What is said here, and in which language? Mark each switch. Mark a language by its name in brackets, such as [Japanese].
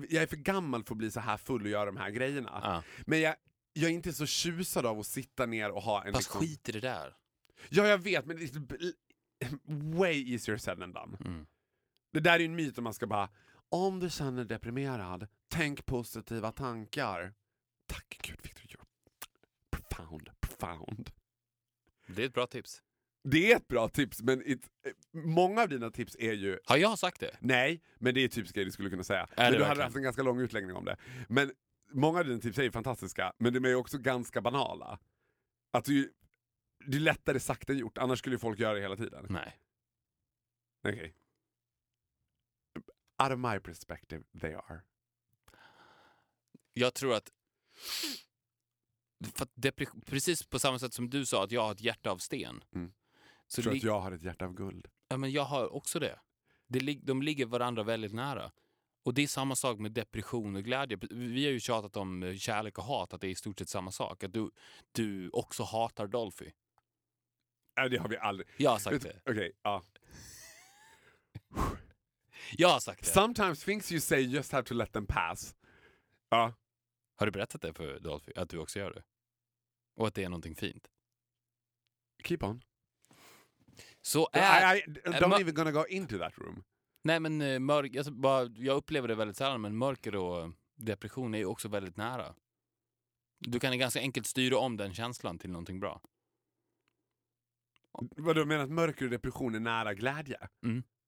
[Swedish] Jag är för gammal för att bli så här full och göra de här grejerna. Men jag är inte så tjusad av att sitta ner och ha en... Fast liksom... skit i det där. Ja, jag vet, men det är [English] way easier said than done. Mm. [Swedish] Det där är ju en myt om man ska bara... Om du känner dig deprimerad, tänk positiva tankar. Tack Gud, [English] Victor, you're profound, profound. [Swedish] Det är ett bra tips. Det är ett bra tips, men många av dina tips är ju... Har jag sagt det? Nej, men det är typiska grejer du skulle kunna säga. Är men du verkligen? Hade haft en ganska lång utläggning om det. Men många av dina tips är ju fantastiska, men de är ju också ganska banala. Att det är lättare sagt än gjort, annars skulle ju folk göra det hela tiden. Nej. Okej. Okay. [English] Out of my perspective, they are. [Swedish] Jag tror att precis på samma sätt som du sa att jag har ett hjärta av sten. Mm. Så jag tror att jag har ett hjärta av guld. Ja, men jag har också det. De ligger varandra väldigt nära. Och det är samma sak med depression och glädje. Vi har ju tjatat om kärlek och hat, att det är i stort sett samma sak. Att du också hatar Dolphy. Nej, det har vi aldrig. Jag har sagt det. Okej, ja. Jag har sagt det. [English] Sometimes things you say just have to let them pass. [Swedish] Ja. Har du berättat det för Dolphy, att du också gör det? Och att det är någonting fint? [English] Keep on. [Swedish] Så är... [English] I'm not even gonna go into that room. [Swedish] Nej, men jag upplever det väldigt sällan, men mörker och depression är ju också väldigt nära. Du kan ganska enkelt styra om den känslan till någonting bra. Vad du menar, att mörker och depression är nära glädje? Mm.